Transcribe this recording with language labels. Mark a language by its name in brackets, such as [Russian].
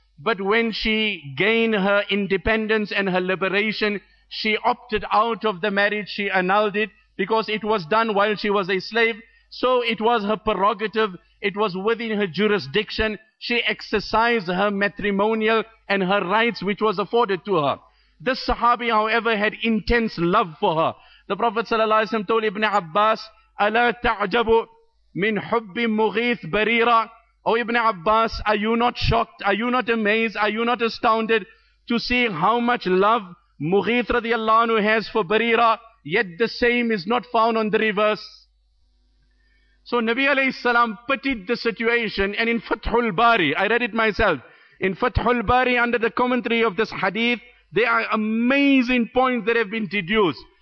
[English] But when she gained her independence and her liberation, she opted out of the marriage, she annulled it, because it was done while she was a slave. So it was her prerogative. It was within her jurisdiction. She exercised her matrimonial and her rights which was afforded to her. This Sahabi, however, had intense love for her. The Prophet ﷺ told Ibn Abbas, [Arabic] أَلَا تَعْجَبُ مِنْ حُبِّ مُغِيث بَرِيرًا. [English] O Ibn Abbas, are you not shocked? Are you not amazed? Are you not astounded to see how much love Mughith radiallahu anhu has for Barira, yet the same is not found on the reverse? So Nabi alayhi salam pitied the situation, and in Fathul Bari, I read it myself, in Fathul Bari under the commentary of this hadith, there are amazing points that have been deduced.